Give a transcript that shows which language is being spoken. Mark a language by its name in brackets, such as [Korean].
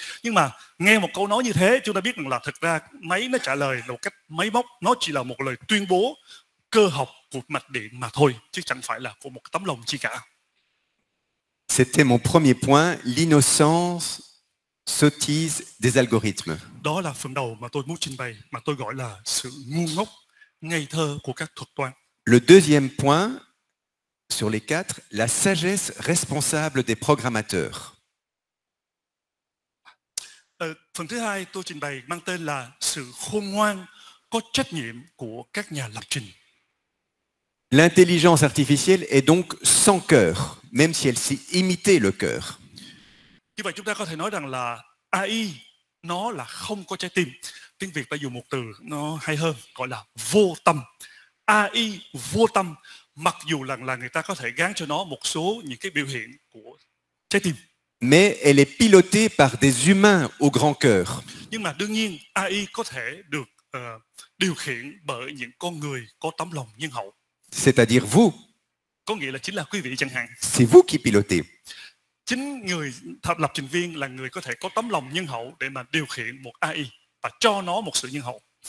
[Vietnamese] Nhưng mà nghe một câu nói như thế, chúng ta biết rằng là thực ra máy nó trả lời một cách máy móc, nó chỉ là một lời tuyên bố cơ học của mạch điện mà thôi, chứ chẳng phải là của một tấm lòng chi cả. [French] C'était mon premier point, l'innocence sottise des algorithmes. [Vietnamese] Đó là phần đầu mà tôi muốn trình bày, mà tôi gọi là sự ngu ngốc, ngây thơ của các thuật toán. [French] Le deuxième point, sur les quatre, la sagesse responsable des programmateurs. [Vietnamese] Phần thứ hai tôi trình bày mang tên là sự khôn ngoan có trách nhiệm của các nhà lập trình. [French] L'intelligence artificielle est donc sans cœur, même si elle sait imiter le cœur. [Vietnamese] Như vậy chúng ta có thể nói rằng là AI nó là không có trái tim. Tiếng Việt ta dùng một từ nó hay hơn, gọi là vô tâm. AI vô tâm, mặc dù là người ta có thể gán cho nó một số những cái biểu hiện của trái tim. [French] Mais elle est pilotée par des humains au grand cœur. [Vietnamese] Nhưng mà đương nhiên AI có thể được điều khiển bởi những con người có tấm lòng nhân hậu. [French] C'est-à-dire vous. [Vietnamese] Có nghĩa là chính là quý vị chẳng hạn. [French] C'est vous qui pilotez. [Vietnamese] Chính người lập trình viên là người có thể có tấm lòng nhân hậu để mà điều khiển một AI và cho nó một sự nhân hậu.